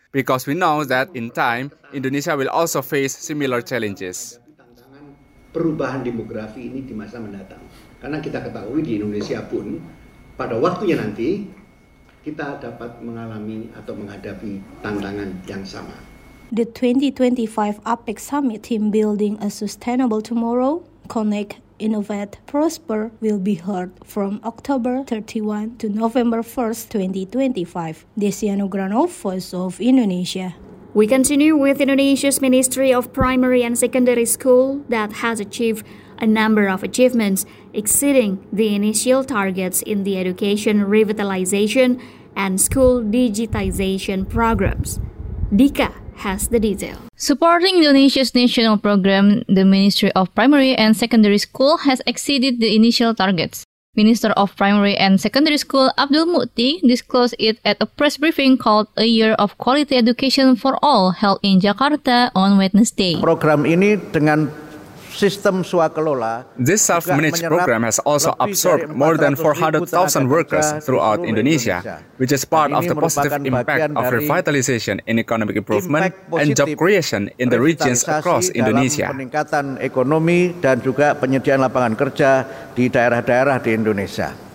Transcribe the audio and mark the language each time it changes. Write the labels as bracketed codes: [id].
[en] Because we know that in time, Indonesia will also face similar challenges. [id] Perubahan demografi ini di masa mendatang. Karena kita ketahui di Indonesia pun pada waktunya nanti kita dapat mengalami atau menghadapi tantangan yang sama. [en] The 2025 APEC Summit Team Building a Sustainable Tomorrow, Connect, Innovate, Prosper will be heard from October 31 to November 1st, 2025. Desiano Granov, Voice of Indonesia. We continue with Indonesia's Ministry of Primary and Secondary School that has achieved a number of achievements exceeding the initial targets in the education revitalization and school digitization programs. Dika has the detail. Supporting Indonesia's national program, the Ministry of Primary and Secondary School has exceeded the initial targets. Minister of Primary and Secondary School Abdul Mukti disclosed it at a press briefing called A Year of Quality Education for All held in Jakarta on Wednesday. [id] Program ini dengan sistem swakelola. [en] This self-managed program has also absorbed more than 400,000 workers throughout Indonesia, which is part of the positive impact of revitalization in economic improvement and job creation in the regions across Indonesia. [id] Peningkatan ekonomi dan juga penyediaan lapangan kerja di daerah-daerah di Indonesia.